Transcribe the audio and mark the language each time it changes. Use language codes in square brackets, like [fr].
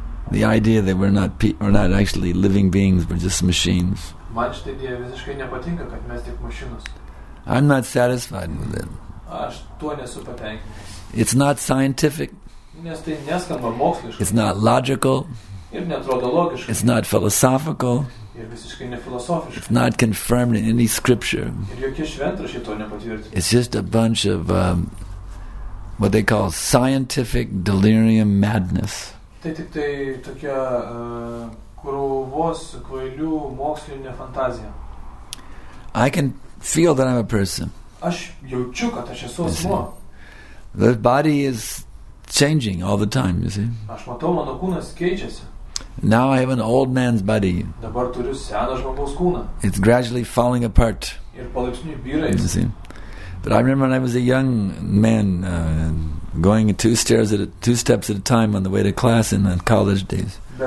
[en] The idea that we're not actually living beings, we're just machines. [lt] Man šitą idėją visiškai nepatinka, kad mes tik mašinos. [en] I'm not satisfied with it. [lt] Aš tuo nesu patenkintas. [en] It's not scientific. [lt] Nes tai neskamba moksliškai. [en] It's not logical. [lt] Ir netrodo logiškai. [en] It's not philosophical. [lt] Ir visiškai nefilosofiškai. [en] It's not confirmed in any scripture. [lt] Ir jokie šventraščiai to nepatvirtina. [en] It's just a bunch of what they call scientific delirium madness. [lt] Tai tik tai tokia krūvos kvailių mokslinė fantazija. [en] I can feel that I'm a person. [lt] Aš jaučiu, kad aš esu asmuo. [en] The body is changing all the time, you see. [lt] Aš matau, mano kūnas keičiasi. [en] Now I have an old man's body. [lt] Dabar turiu seną žmogaus kūną. [en] It's gradually falling apart. [lt] Ir palaipsniui byra, [en] you see. But I remember when I was a young man going two steps at a time on the way to class in the college days.